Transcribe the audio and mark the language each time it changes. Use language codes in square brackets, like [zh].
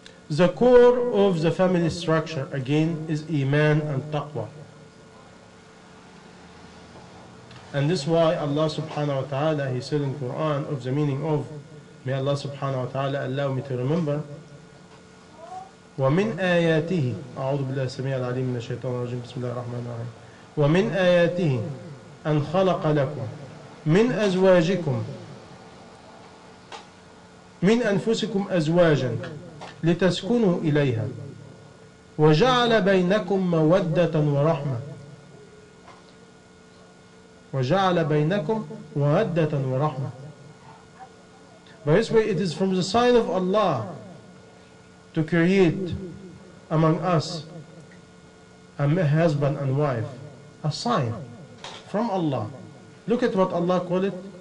[en] The core of the family structure, again, is iman and taqwa. And this is why Allah subhanahu wa ta'ala, he said in Quran, of the meaning of, may Allah subhanahu wa ta'ala allow me to remember, [ar] وَمِنْ آيَاتِهِ أَعُوذُ بِاللَّهِ السَّمِيعِ الْعَلِيمِ مِنَ الشَّيْطَانِ الرَّجِيمِ بِسْمِ اللَّهِ الرَّحْمَنِ الرَّحِيمِ وَمِنْ آيَاتِهِ أَنْ خَلَقَ لَكُمْ مِنْ أَزْوَاجِكُمْ مِنْ أَنْفُسِكُمْ أَزْوَاجًا لِتَسْكُنُوا إِلَيْهَا وَجَعَلَ بَيْنَكُمْ مَوَدَّةً وَرَحْمَةً وَجَعَلَ بَيْنَكُمْ مَوَدَّةً وَرَحْمَةً. [en] By this way, it is from the sign of Allah to create among us a husband and wife. A sign from Allah. Look at what Allah called it.